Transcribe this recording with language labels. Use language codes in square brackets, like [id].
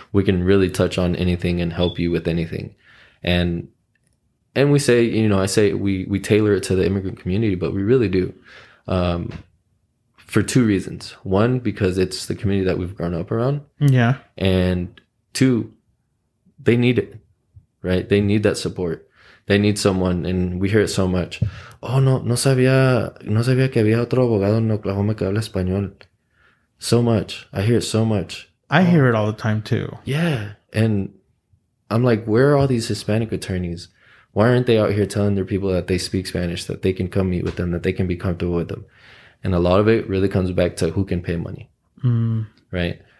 [en] we can really touch on anything and help you with anything. And we say, you know, I say we tailor it to the immigrant community, but we really do. For two reasons. One, because it's the community that we've grown up around. Yeah. And two, they need it, right? They need that support. They need someone. And we hear it so much. [es] Oh, no sabía que había otro abogado en Oklahoma que habla español. [en] So much. I hear it so much. I hear it all the time too. Yeah. And I'm like, where are all these Hispanic attorneys? Why aren't they out here telling their people that they speak Spanish, that they can come meet with them, that they can be comfortable with them? And a lot of it really comes back to who can pay money, right?